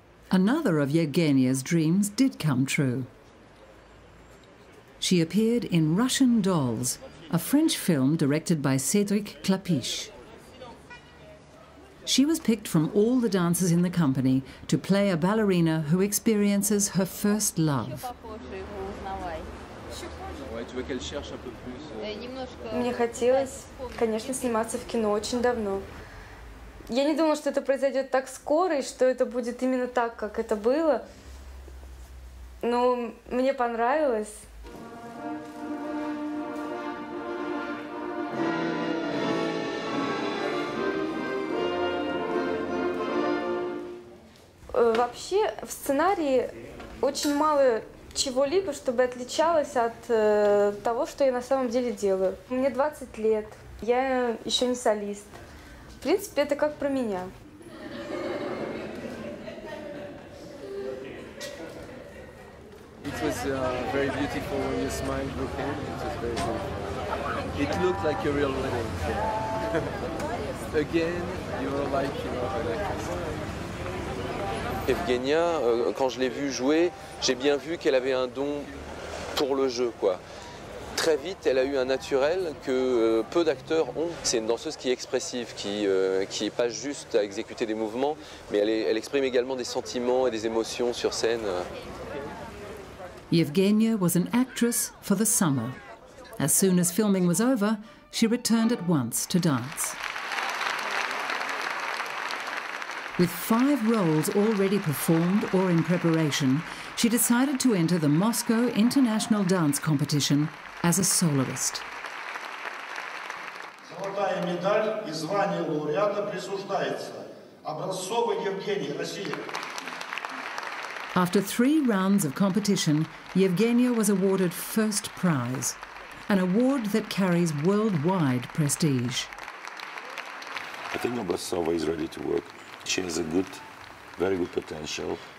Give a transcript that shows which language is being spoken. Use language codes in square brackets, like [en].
[en] Another of Yevgenia's dreams did come true. She appeared in Russian Dolls, a French film directed by Cédric Clapiche. She was picked from all the dancers in the company to play a ballerina who experiences her first love. [ru] Мне хотелось, конечно, сниматься в кино очень давно. Я не думала, что это произойдет так скоро и что это будет именно так, как это было. Но мне понравилось. Вообще, в сценарии очень мало чего-либо, чтобы отличалось от того, что я на самом деле делаю. Мне 20 лет, я еще не солист. В принципе, это как про меня. [en] It was very beautiful when you smiled before. It was very beautiful. It looked like a real wedding. Again, you're like, you know, an actress. [fr] Evgenia, quand je l'ai vue jouer, j'ai bien vu qu'elle avait un don pour le jeu, quoi. Très vite, elle a eu un naturel que peu d'acteurs ont. C'est une danseuse qui est expressive, qui n'est pas juste à exécuter des mouvements, mais elle exprime également des sentiments et des émotions sur scène. [en] Yevgenia was an actress for the summer. As soon as filming was over, she returned at once to dance. With five roles already performed or in preparation, she decided to enter the Moscow International Dance Competition as a soloist. [ru] Золотая медаль и звание лауреата присуждается Образцовой Евгении, Россия. [en] After three rounds of competition, Yevgenia was awarded first prize, an award that carries worldwide prestige. I think Obrazova is ready to work. She has a good, very good potential.